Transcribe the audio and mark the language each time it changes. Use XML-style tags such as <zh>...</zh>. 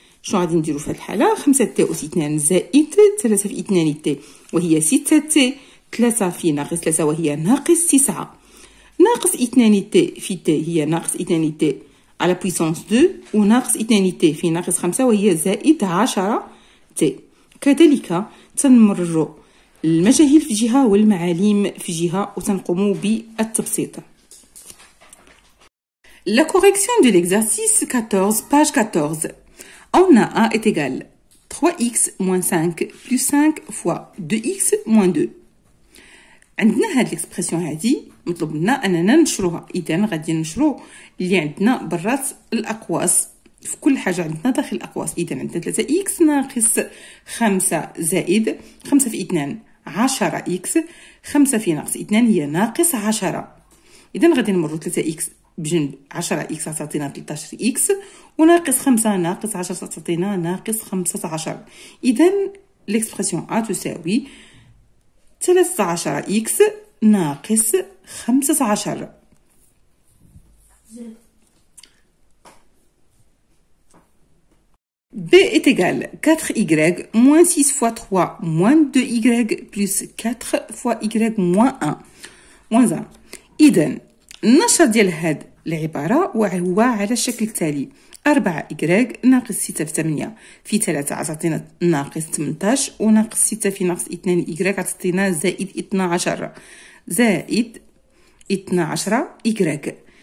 <ar>شنو غادي نديرو في هاد الحالة؟ 5 تي أو 2 زائد 3 في 2 تي وهي 6 تي، 3 في ناقص 3 وهي ناقص 9، ناقص 2 تي في تي هي ناقص 2 تي على بويسونس 2 وناقص 2 تي في ناقص 5 وهي زائد 10 تي. كذلك تنمرو المجاهيل في جهة والمعاليم في جهة وتنقومو بالتبسيط.</ar> <fr>لا كوريكسيون دو ليكزارسيس 14 باج 14. On a A est égal 3x moins 5 plus 5 fois 2x moins 2.</fr> <ar>عندنا هاد الإكسبرسيون هادي مطلوب منا أننا نشروها. إذن غادي نشرو اللي عندنا برات الأقواس في كل حاجة عندنا داخل الأقواس. إذن عندنا 3x ناقص 5 زائد 5 في 2 10x 5 في ناقص 2 هي ناقص 10. إذن غادي نمرو 3x بجنب 10x عطاتينا 13x وناقص 5 ناقص 10 عطاتينا ناقص 15. إذن ليكسبرسيون A تساوي 13x ناقص 15.</ar> <fr>B est égal 4y moins 6 fois 3 moins 2y plus 4 fois y moins 1. Moins 1.</fr> <ar>إذن نشر ديال هاد العبارة وهو على الشكل التالي 4 y ناقص 6 في 8 في 3 عطاتينا ناقص 18 وناقص 6 في ناقص 2 y عطاتينا زائد 12 زائد 12 y.</ar>